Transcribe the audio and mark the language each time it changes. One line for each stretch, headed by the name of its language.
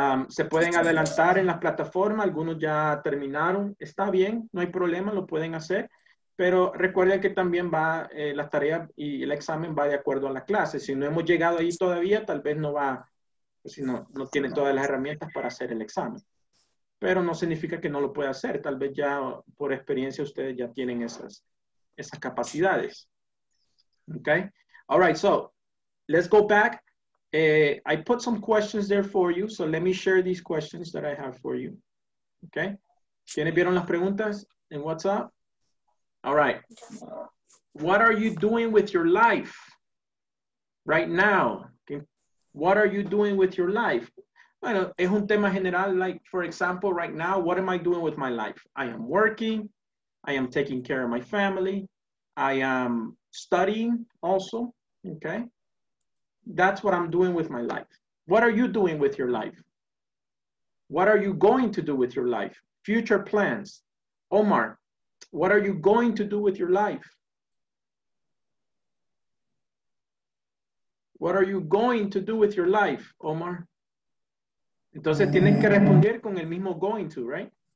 Spanish: Se pueden adelantar en las plataformas, algunos ya terminaron, está bien, no hay problema, lo pueden hacer, pero recuerden que también va la tarea y el examen va de acuerdo a la clase. Si no hemos llegado ahí todavía, tal vez no va, si no tiene todas las herramientas para hacer el examen. Pero no significa que no lo pueda hacer, tal vez ya por experiencia ustedes ya tienen esas capacidades.
English: Okay, all right, so let's go back. I put some questions there for you, so let me share these questions that I have for you. Okay?
Spanish: ¿Quiénes vieron las preguntas en WhatsApp? All right.
English: What are you doing with your life right now? Okay. What are you doing with your life?
Spanish: Bueno, es un tema general,
English: like, for example, right now, what am I doing with my life? I am working. I am taking care of my family. I am studying also. Okay? That's what I'm doing with my life. What are you doing with your life? What are you going to do with your life? Future plans. Omar, what are you going to do with your life? What are you going to do with your life, Omar?
Spanish: Entonces tienen que responder con el mismo going to, right?